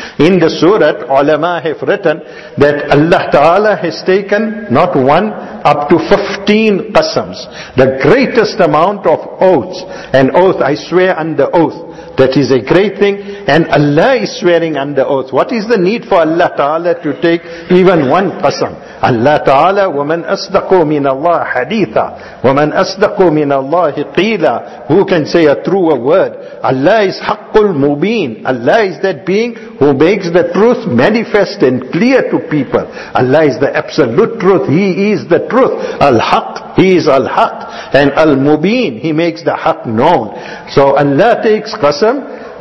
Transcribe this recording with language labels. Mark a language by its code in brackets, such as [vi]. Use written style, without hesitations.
[en] In the surah, ulama have written that Allah Ta'ala has taken not one, up to 15 qasams, the greatest amount of oaths. And oath, I swear under oath, that is a great thing. And Allah is swearing under oath. What is the need for Allah Ta'ala to take even one qasam? [ar] Allah Ta'ala, وَمَنْ أَصْدَقُوا مِنَ اللَّهِ حَدِيثًا وَمَنْ أَصْدَقُوا مِنَ اللَّهِ قِيلًا, [en] who can say a truer word? Allah is [ar] حَقُّ الْمُبِينَ, [en] Allah is that being who makes the truth manifest and clear to people. Allah is the absolute truth. He is the truth. Al-Haqq, He is Al-Haqq. And Al-Mubin, He makes the Haqq known. So Allah takes qasam.